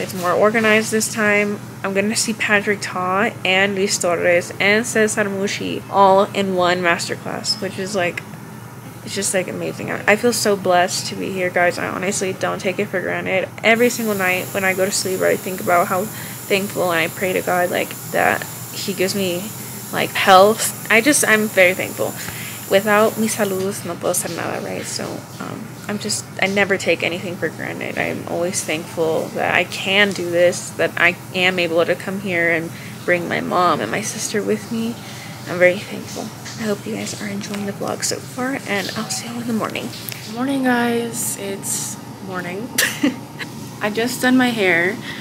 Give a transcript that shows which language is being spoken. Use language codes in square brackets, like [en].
[en] It's more organized this time. I'm going to see Patrick Ta and Luis Torres and Cesar Mushi all in one masterclass, which is like, it's just like amazing. I feel so blessed to be here, guys. I honestly don't take it for granted. Every single night when I go to sleep, I think about how thankful, and I pray to God like that he gives me like health. I'm very thankful. [es] Without mi salud, no puedo hacer nada, right? [en] So, I never take anything for granted. I'm always thankful that I can do this, that I am able to come here and bring my mom and my sister with me. I'm very thankful. I hope you guys are enjoying the vlog so far, and I'll see you in the morning. Morning, guys. It's morning. I just done my hair.